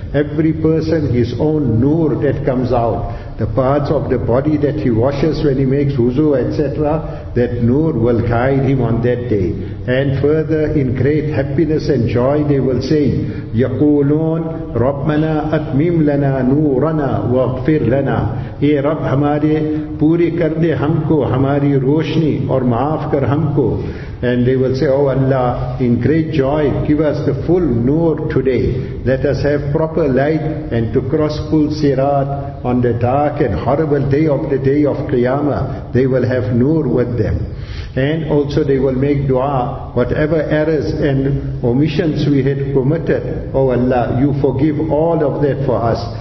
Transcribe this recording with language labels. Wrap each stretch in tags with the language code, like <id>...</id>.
<en>Every person, his own noor that comes out, the parts of the body that he washes when he makes wuzu, etc., that noor will guide him on that day. And further, in great happiness and joy, they will say,</en> <ar>يَقُولُونَ رَبَّنَا أَتْمِمْ لَنَا نُورَنَا وَغْفِرْ لَنَا.</ar> <ur>اے رب ہمارے پورے کر دے ہم کو ہماری روشنی اور معاف کر ہم کو.</ur> <en>And they will say, oh Allah, in great joy, give us the full noor today. Let us have proper light and to cross full sirat on the dark and horrible day of Qiyamah. They will have noor with them. And also they will make dua, whatever errors and omissions we had committed, oh Allah, you forgive all of that for us.</en>